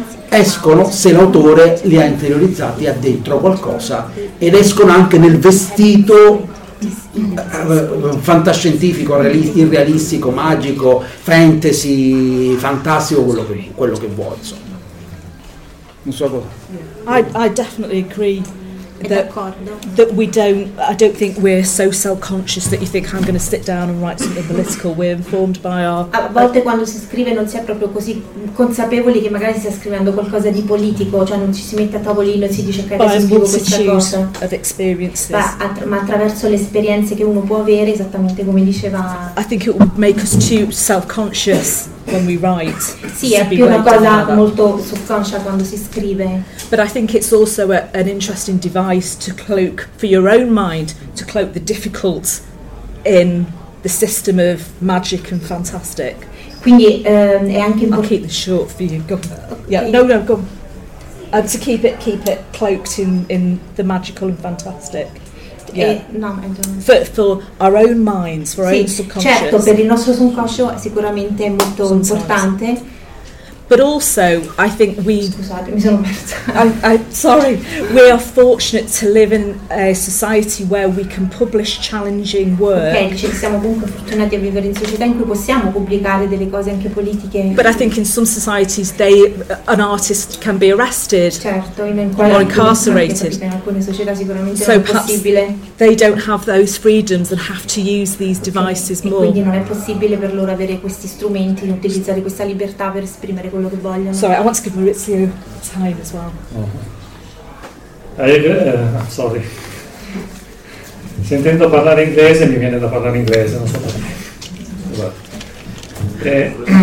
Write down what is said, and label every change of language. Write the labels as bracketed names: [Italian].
[Italian] escono se l'autore li ha interiorizzati, ha dentro qualcosa, ed escono anche nel vestito fantascientifico, irrealistico, magico, fantasy, fantastico, quello che vuoi, insomma. [English] I definitely agree that I don't think we're so self-conscious that you think I'm going to sit down and write something political. We're informed by our. [Italian] A volte quando si scrive non si è proprio così consapevoli che magari si sta scrivendo qualcosa di politico, cioè non ci si mette a tavolino e si dice che adesso scrivo questa cosa. [English] Of experiences. [Italian] Ma attraverso le esperienze che uno può avere, esattamente come diceva. [English] I think it would make us too self-conscious. When we write, [Italian] sì, è più una cosa molto subconscia quando si scrive. [English] But I think it's also an interesting device to cloak for your own mind, to cloak the difficult in the system of magic and fantastic. [Italian] Quindi è anche [English] I'll keep this short for you. Go. Okay. Yeah, no, go. To keep it cloaked in the magical and fantastic. For our own minds, for our own subconscious. [Italian] Certo, per il nostro subconscio è sicuramente molto importante. [English] But also, I think we. [Italian] Scusate, mi sono persa. [English] Sorry, we are fortunate to live in a society where we can publish challenging work. [Italian] Okay, ci siamo comunque fortunati a vivere in società in cui possiamo pubblicare delle cose anche politiche. [English] But I think in some societies, an artist can be arrested. [Italian] Certo, [English] or incarcerated. [Italian] In alcune società sicuramente so è possibile. [English] They don't have those freedoms and have to use these devices [Italian] e [English] more. [Italian] Quindi non è possibile per loro avere questi strumenti e utilizzare questa libertà per esprimere. [English] Sorry, I want to give Maurizio time as well. Uh-huh. Sorry. [Italian] Sentendo parlare inglese mi viene da parlare inglese, non so perché.